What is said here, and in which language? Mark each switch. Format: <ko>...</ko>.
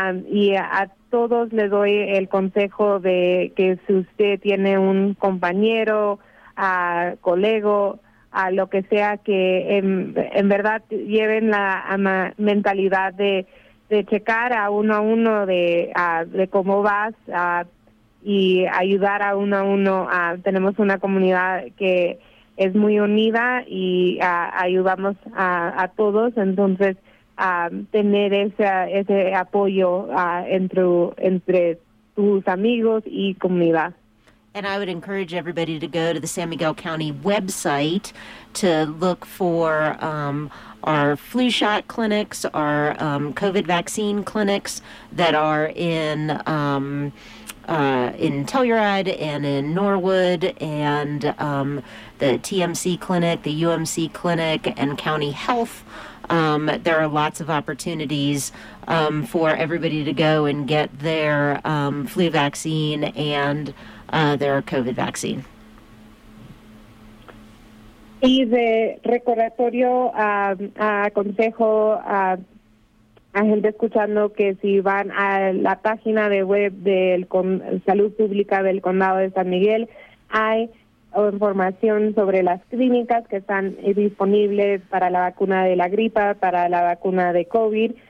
<es>Y a todos les doy el consejo de que si usted tiene un compañero, colego, lo que sea, que en verdad lleven la mentalidad de checar a uno de cómo vas y ayudar a uno. Tenemos una comunidad que es muy unida y ayudamos a todos, entonces... tener ese apoyo entre tus amigos y comunidad.</es> <en>And I would encourage everybody to go to the San Miguel County website to look for our flu shot clinics, our COVID vaccine clinics that are in in Telluride and in Norwood, and the TMC clinic, the UMC clinic, and County Health. There are lots of opportunities for everybody to go and get their flu vaccine and their COVID vaccine.</en> <es>Y de recordatorio, aconsejo a gente escuchando que si van a la página de web del Salud Pública del Condado de San Miguel, hay información sobre las clínicas que están disponibles para la vacuna de la gripa, para la vacuna de COVID.</es>